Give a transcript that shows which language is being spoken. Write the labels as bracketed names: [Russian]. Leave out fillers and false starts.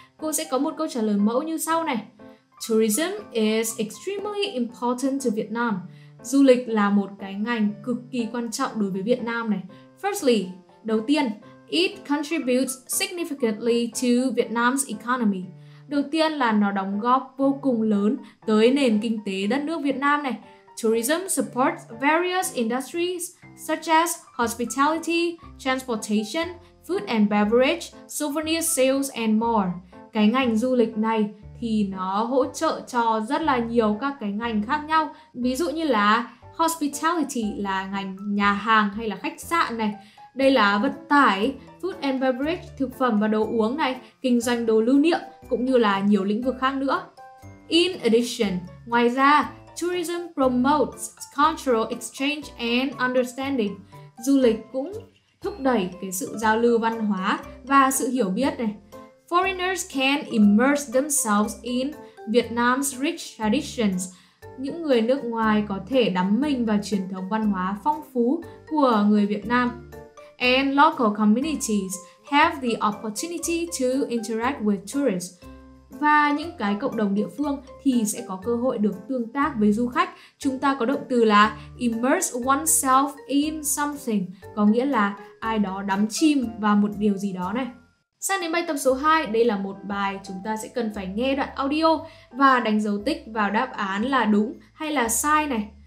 [Vietnamese] Cô sẽ có một câu trả lời mẫu như sau này. [English] Tourism is extremely important to Vietnam. [Vietnamese] Du lịch là một cái ngành cực kỳ quan trọng đối với Việt Nam này. [English] Firstly, [Vietnamese] đầu tiên, [English] it contributes significantly to Vietnam's economy. [Vietnamese] Đầu tiên là nó đóng góp vô cùng lớn tới nền kinh tế đất nước Việt Nam này. [English] Tourism supports various industries such as hospitality, transportation, food and beverage, souvenir sales and more. [Vietnamese] Cái ngành du lịch này thì nó hỗ trợ cho rất là nhiều các cái ngành khác nhau. Ví dụ như là hospitality là ngành nhà hàng hay là khách sạn này. Đây là vận tải, [English] food and beverage, [Vietnamese] thực phẩm và đồ uống này, kinh doanh đồ lưu niệm cũng như là nhiều lĩnh vực khác nữa. [English] In addition, [Vietnamese] ngoài ra, [English] tourism promotes cultural exchange and understanding. [Vietnamese] Du lịch cũng thúc đẩy cái sự giao lưu văn hóa và sự hiểu biết này. [English] Foreigners can immerse themselves in Vietnam's rich traditions. [Vietnamese] Những người nước ngoài có thể đắm mình vào truyền thống văn hóa phong phú của người Việt Nam. [English] And local communities have the opportunity to interact with tourists. [Vietnamese] Và những cái cộng đồng địa phương thì sẽ có cơ hội được tương tác với du khách. Chúng ta có động từ là [English] immerse oneself in something, [Vietnamese] có nghĩa là ai đó đắm chìm vào một điều gì đó này. Sang đến bài tập số 2, đây là một bài chúng ta sẽ cần phải nghe đoạn audio và đánh dấu tích vào đáp án là đúng hay là sai này.